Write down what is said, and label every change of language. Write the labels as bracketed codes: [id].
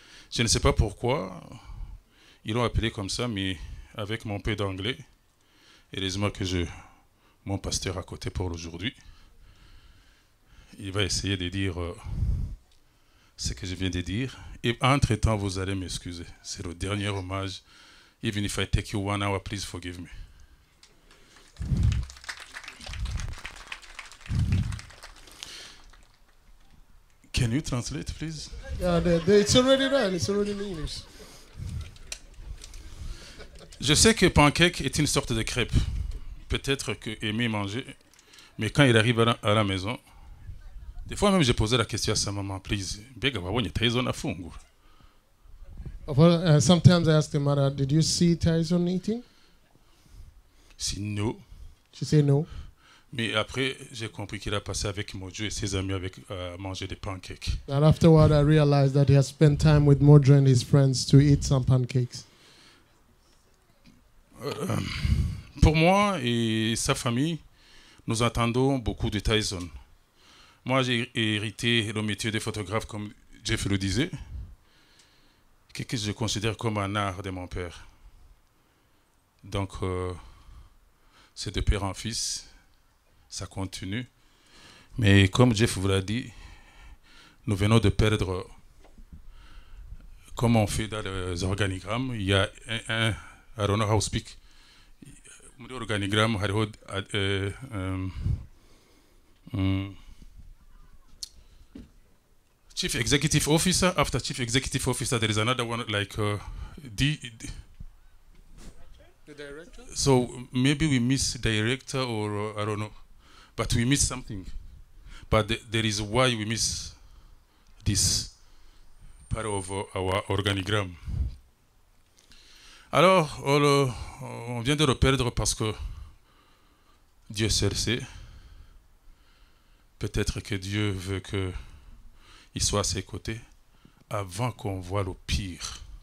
[fr] Je ne sais pas pourquoi ils l'ont appelé comme ça, mais avec mon peu d'anglais, et les mots que j'ai mon pasteur à côté pour aujourd'hui, il va essayer de dire ce que je viens de dire. Et entre-temps, vous allez m'excuser. C'est le dernier hommage. [en] Even if I take you 1 hour, please forgive me. Can you translate, please? Yeah, it's already done. It's already in English. [fr] Je sais que pancake est une sorte de crêpe. Peut-être que aimer manger, mais quand il arrive à la maison, des fois même j'ai posé la question à sa maman, [en] please. [rn] Bega wabonye Tyson afungura. [en] Well, sometimes I ask the mother, did you see Tyson eating? Si no. She said no. [fr] Mais après, j'ai compris qu'il a passé avec Mojo et ses amis avec manger des pancakes. [en] And afterward, I realized that he has spent time with Mojo and his friends to eat some pancakes. [fr] Pour moi et sa famille, nous attendons beaucoup de Tyson. Moi, j'ai hérité le métier de photographe, comme Jeff le disait, que je considère comme un art de mon père. Donc, c'est de père en fils. Ça continue. Mais comme Jeff vous l'a dit, nous venons de perdre, comme on fait dans les organigrammes, il y a un, [en] I don't know how to speak, [fr] l'organigramme, [en] chief executive officer, after chief executive officer, there is another one like the director? So maybe we miss director or I don't know. But we miss something. But there is why we miss this part of our organigram. [fr] Alors, on vient de le perdre parce que Dieu seul sait. Peut-être que Dieu veut qu'il soit à ses côtés avant qu'on voit le pire.